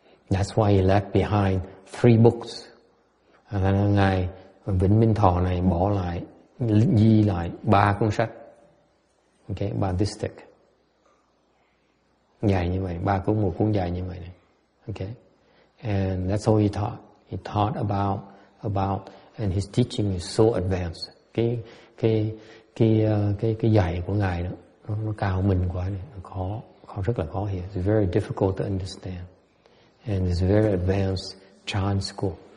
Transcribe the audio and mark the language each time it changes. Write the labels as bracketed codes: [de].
[en] That's why he left behind 3 books. [vi] Ngài Vĩnh Minh Thọ này bỏ lại, di lại 3 cuốn sách. [en] Okay, 3 distich. [vi] Dài như vậy, 3 cuốn, 1 cuốn dài như vậy này. [en] Okay. And that's all he taught. He taught about and his teaching is so advanced. [vi] Cái dạy của ngài đó nó cao mình quá, nó khó rất là khó hiểu. [en] It's very difficult to understand, and it's very advanced Chan school.